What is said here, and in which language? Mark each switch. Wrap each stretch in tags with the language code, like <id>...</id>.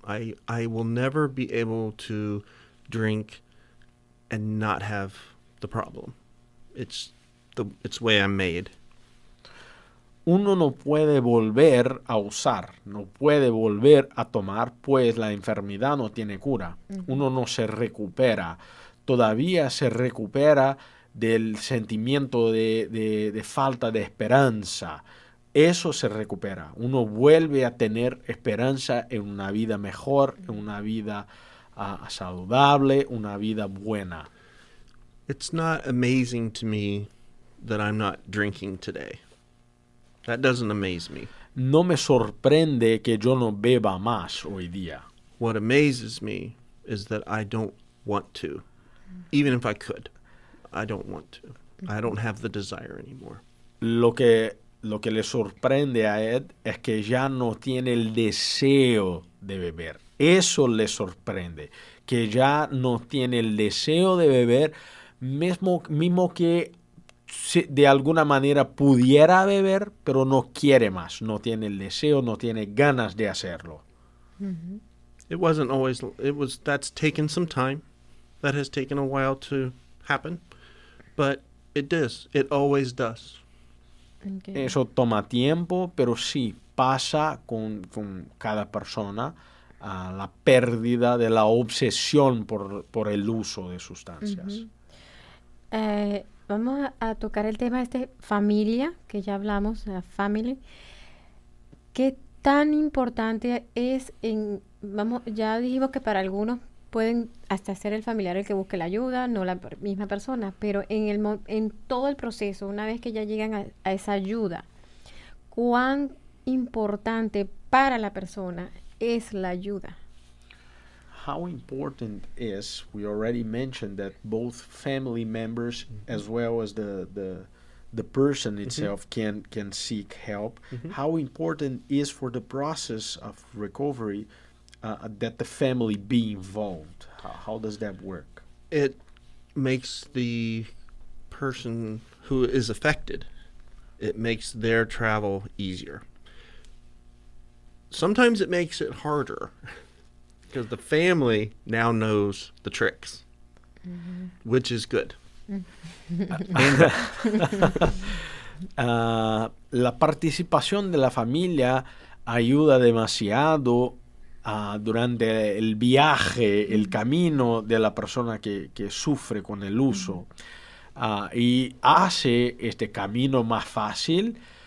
<en>I will never be able to drink and not have the problem. It's the way I'm made.</en> <es>Uno no puede volver a usar, no puede volver a tomar, pues la enfermedad no tiene cura. Uno no se recupera. Todavía se recupera del sentimiento de falta de esperanza. Eso se recupera. Uno vuelve a tener esperanza en una vida mejor, en una vida saludable, una vida buena.</es> <en>It's not amazing to me that I'm not drinking today. That doesn't amaze me.</en> <es>No me sorprende que yo no beba más hoy día.</es> <en>What amazes me is that I don't want to. Even if I could, I don't want to. I don't have the desire anymore.</en> <es>Lo que le sorprende a Ed es que ya no tiene el deseo de beber. Eso le sorprende, que ya no tiene el deseo de beber, mismo que de alguna manera pudiera beber, pero no quiere más, no tiene el deseo, no tiene ganas de hacerlo. Mm-hmm.</es> <en>It wasn't always, it was, that's taken some time. That has taken a while to happen, but it does, it always does. Okay.</en> <es>Eso toma tiempo, pero sí, pasa con cada persona la pérdida de la obsesión por el uso de sustancias. Mm-hmm. Vamos a tocar el tema de esta familia, que ya hablamos, la family. ¿Qué tan importante es, ya dijimos que para algunos pueden hasta ser el familiar el que busque la ayuda, no la misma persona, pero en todo el proceso, una vez que ya llegan a esa ayuda, ¿cuán importante para la persona es la ayuda?</es> <en>How important is, we already mentioned that both family members as well as the person itself mm-hmm. can seek help. Mm-hmm. How important is for the process of recovery that the family be involved? How does that work? It makes the person who is affected, it makes their travel easier. Sometimes it makes it harder. Because the family now knows the tricks, mm-hmm. which is good.</en> <es>La participación de la familia ayuda demasiado durante el viaje, el camino de la persona que sufre con el uso. Mm-hmm. Y hace este camino más fácil.</es>